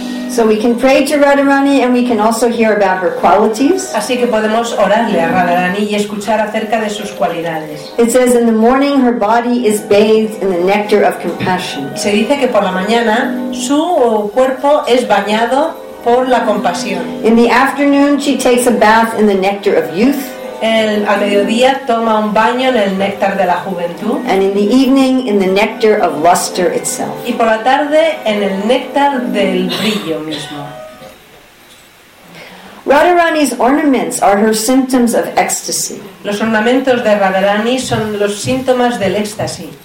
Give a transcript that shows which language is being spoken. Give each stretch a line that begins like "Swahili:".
English: So we can pray to Radharani and we can also hear about her qualities.
Spanish: Así que podemos orarle a Radharani y escuchar acerca de sus cualidades.
English: It says in the morning her body is bathed in the nectar of compassion.
Spanish: Se dice que por la mañana su cuerpo es bañado por la compasión.
English: In the afternoon she takes a bath in the nectar of youth.
Spanish: Al mediodía toma un baño en el néctar de la juventud.
English: And in the evening, in the nectar of luster itself.
Spanish: Y por la tarde, en el néctar del brillo mismo.
English: Radharani's ornaments are her symptoms of ecstasy.
Spanish: Los ornamentos de Radharani son los síntomas del éxtasis.